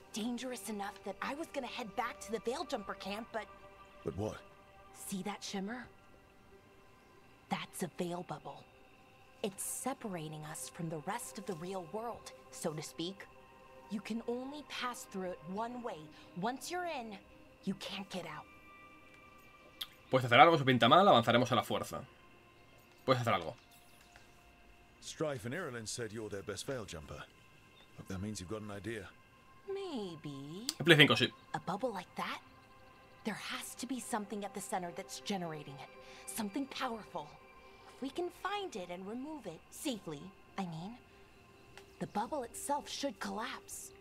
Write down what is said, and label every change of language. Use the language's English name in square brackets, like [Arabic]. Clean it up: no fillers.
[English] Dangerous enough that I was gonna head back to the Veiljumper camp, but... But what? See that shimmer? That's a veil bubble. It's separating us from the rest of the real world, so to speak. You can only pass through it one way. Once you're in, you can't get out. [Spanish] Puedes hacer algo, si pinta mal, avanzaremos a la fuerza. Puedes hacer algo. [English] Strife and Irulin said you're their best veil jumper. But that means you've got an idea. Maybe. [Spanish] Play 5, sí. [English] A bubble like that? There has to be something at the center that's generating it. Something powerful. If we can find it and remove it safely, I mean, the bubble itself should collapse.